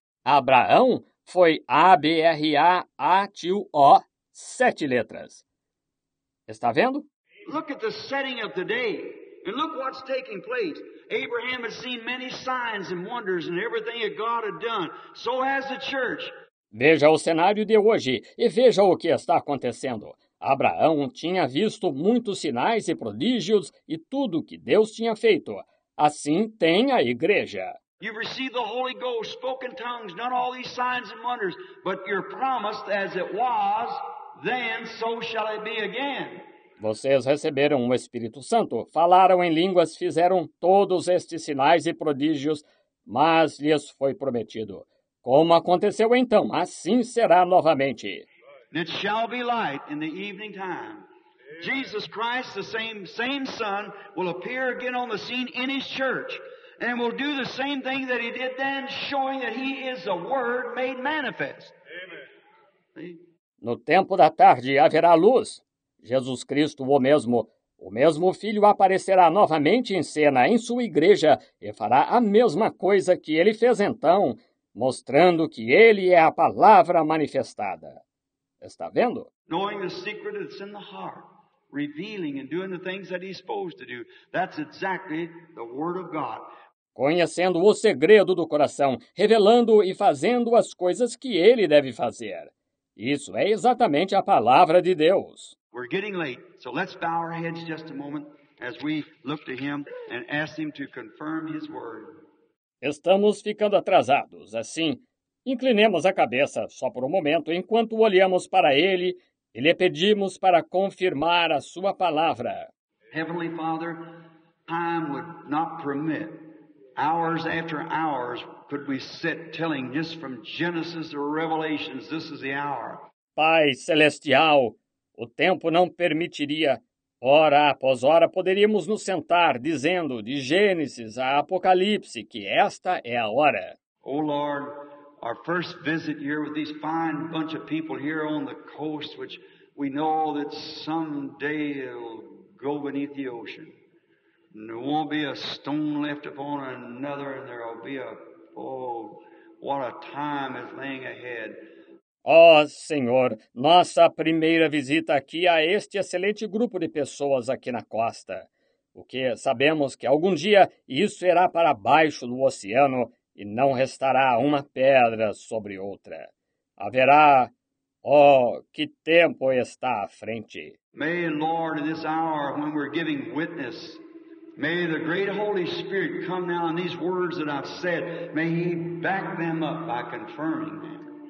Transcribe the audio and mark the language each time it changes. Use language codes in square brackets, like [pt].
[pt] Abraão foi A-B-R-A-A-T-U-O, sete letras. Está vendo? [en] Look at the setting of today. And look what's taking place. Abraham had seen many signs and wonders and everything that God had done. So has the church. [pt] Veja o cenário de hoje e veja o que está acontecendo. Abraão tinha visto muitos sinais e prodígios e tudo que Deus tinha feito. Assim tem a igreja. [en] You've received the Holy Ghost, spoken tongues, done all these signs and wonders, but you're promised as it was, then so shall it be again. [pt] Vocês receberam o Espírito Santo, falaram em línguas, fizeram todos estes sinais e prodígios, mas lhes foi prometido. Como aconteceu então, assim será novamente. [en] It shall be light in the evening time. Jesus Christ, the same Son, will appear again on the scene in his church and will do the same thing that he did then, showing that he is the Word made manifest. Amen. [pt] No tempo da tarde haverá luz. Jesus Cristo, o mesmo Filho, aparecerá novamente em cena em sua igreja e fará a mesma coisa que ele fez então, mostrando que ele é a palavra manifestada. Está vendo? [en] Knowing the secret that's in the heart, revealing and doing the things that he's supposed to do. That's exactly the Word of God. [pt] Conhecendo o segredo do coração, revelando e fazendo as coisas que ele deve fazer. Isso é exatamente a palavra de Deus. [en] We're getting late, so let's bow our heads just a moment as we look to him and ask him to confirm his word. [pt] Estamos ficando atrasados, assim, inclinemos a cabeça só por um momento enquanto olhamos para ele e lhe pedimos para confirmar a sua palavra. [en] Heavenly Father, time would not permit. Hours after hours could we sit telling just from Genesis to Revelation, this is the hour. [pt] Pai Celestial, o tempo não permitiria. Hora após hora poderíamos nos sentar dizendo de Gênesis a Apocalipse que esta é a hora. [en] Oh Lord, our first visit here with these fine bunch of people here on the coast, which we know that someday it'll go beneath the ocean. And there won't be a stone left upon another, and there'll be a, oh, what a time is laying ahead. [pt] Oh, Senhor, nossa primeira visita aqui a este excelente grupo de pessoas aqui na costa. O que sabemos que algum dia isso irá para baixo do oceano e não restará uma pedra sobre outra. Haverá, oh, que tempo está à frente. [en] May the Lord, in this hour when we're giving witness, may the great Holy Spirit come now in these words that I've said, may he back them up by confirming them.